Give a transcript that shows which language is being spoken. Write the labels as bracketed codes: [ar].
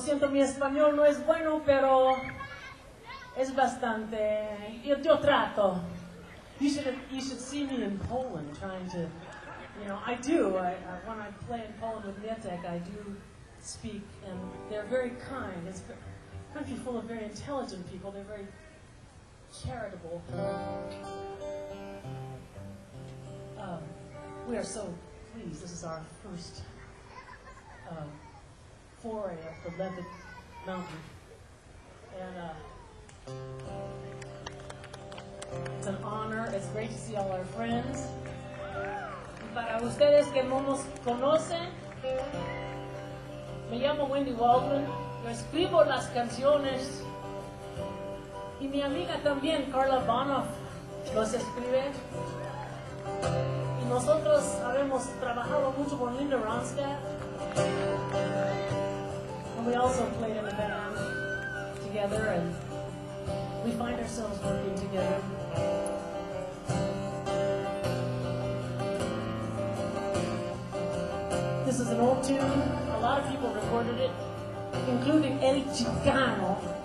[es] Mi español no es bueno, pero es bastante. Yo trato. [en] You should see me in Poland trying to, you know, I do. I, when I play in Poland with Mietek, I do speak, and they're very kind. It's a country full of very intelligent people. They're very charitable. We are so pleased. This is our first foray of the Levitt Mountain. And it's an honor. It's great to see all our friends. [es] Y para ustedes que no nos conocen, me llamo Wendy Waldron. Yo escribo las canciones. Y mi amiga también, Carla Bonoff, los escribe. Y nosotros habemos trabajado mucho con Linda Ronstadt. [en] also played in a band together, and we find ourselves working together. This is an old tune. A lot of people recorded it, including El Chicano.